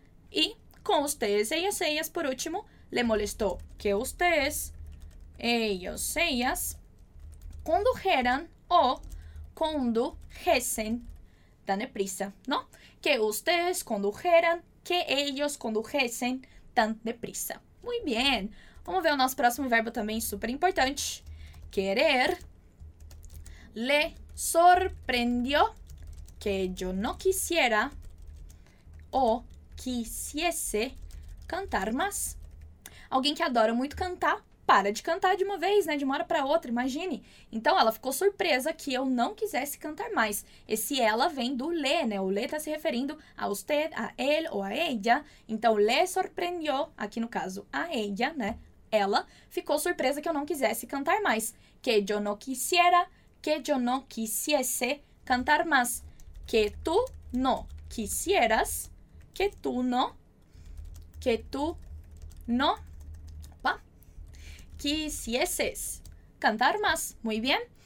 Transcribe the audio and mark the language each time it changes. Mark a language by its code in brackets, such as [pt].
[es] Y con ustedes, ellos, ellas, por último, le molestó que ustedes, ellos, ellas, condujeran o condujesen tan deprisa, ¿no? Que ustedes condujeran, que ellos condujesen tan deprisa. Muy bien. [pt] Vamos ver o nosso próximo verbo também, super importante. Querer. [es] Le sorprendió que yo no quisiera o quisiese cantar más. [pt] Alguém que adora muito cantar, para de cantar de uma vez, né? De uma hora para outra, imagine. Então, ela ficou surpresa que eu não quisesse cantar mais. Esse ela vem do le, né? O le está se referindo a usted, a él ou a ella. Então, le sorprendió, aqui no caso, a ella, né? Ela ficou surpresa que eu não quisesse cantar mais. [es] Que yo no quisiera, que yo no quisiese cantar más. Que tú no quisieras, que tú no, que tú no, opa, quisieses cantar más. Muy bien.